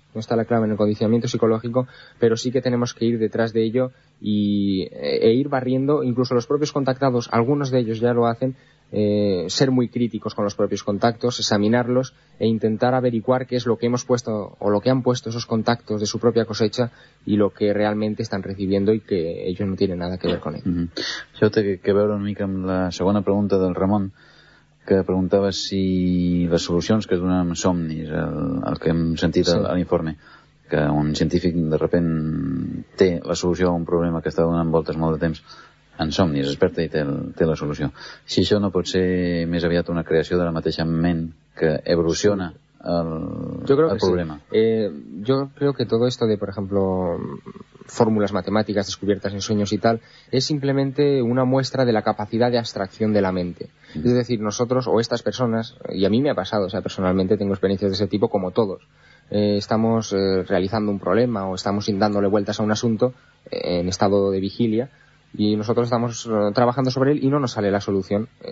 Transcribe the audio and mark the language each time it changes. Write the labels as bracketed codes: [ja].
[es] no está la clave en el condicionamiento psicológico, pero sí que tenemos que ir detrás de ello e ir barriendo, incluso los propios contactados, algunos de ellos ya lo hacen, ser muy críticos con los propios contactos, examinarlos e intentar averiguar qué es lo que hemos puesto o lo que han puesto esos contactos de su propia cosecha y lo que realmente están recibiendo y que ellos no tienen nada que ver con ello. Mm-hmm. Yo tengo que ver [ca] una mica amb la segona pregunta del Ramon, que preguntava si les solucions que donen amb somnis, el que hem sentit sí. a l'informe, que un científic de repent té la solució a un problema que està donant voltes molt de temps en somnis, es desperta i té la solució. Si això no pot ser més aviat una creació de la mateixa ment que evoluciona el problema. Sí. [es] Yo creo que todo esto de, por ejemplo, fórmulas matemáticas descubiertas en sueños y tal, es simplemente una muestra de la capacidad de abstracción de la mente. Es decir, nosotros o estas personas, y a mí me ha pasado, o sea, personalmente tengo experiencias de ese tipo como todos, estamos realizando un problema o estamos dándole vueltas a un asunto en estado de vigilia y nosotros estamos trabajando sobre él y no nos sale la solución.